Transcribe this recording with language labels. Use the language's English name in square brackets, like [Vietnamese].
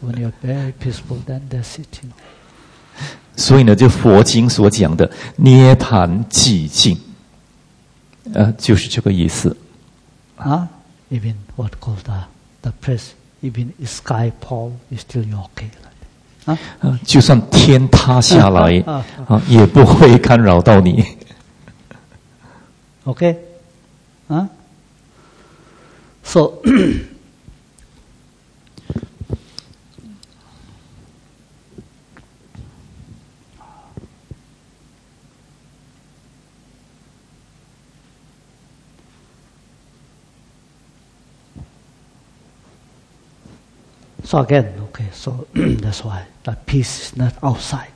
[English] When you are very peaceful, then that's it. You know. [Chinese] 所以呢，就佛经所讲的涅槃寂静，就是这个意思。 [English] Even what called the press, even skyfall is still okay. [Chinese] 就算天塌下来啊，也不会干扰到你。 [English] Okay. So, so again, okay, so that's why that peace is not outside.